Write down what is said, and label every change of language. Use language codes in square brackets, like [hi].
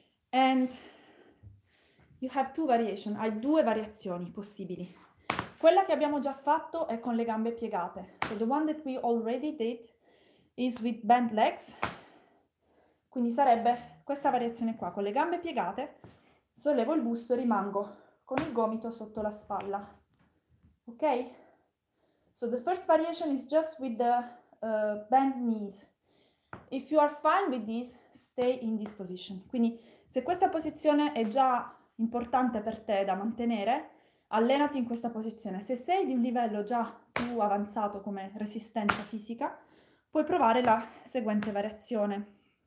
[en] And you have two variations. [it] Hai due variazioni possibili. Quella che abbiamo già fatto è con le gambe piegate. [en] So the one that we already did is with bent legs. [it] Quindi sarebbe questa variazione qua, con le gambe piegate, sollevo il busto e rimango con il gomito sotto la spalla. Ok? [en] So the first variation is just with the bent knees. If you are fine with this, stay in this position. [it] Quindi se questa posizione è già importante per te da mantenere, allenati in questa posizione. Se sei di un livello già più avanzato come resistenza fisica, puoi provare la seguente variazione.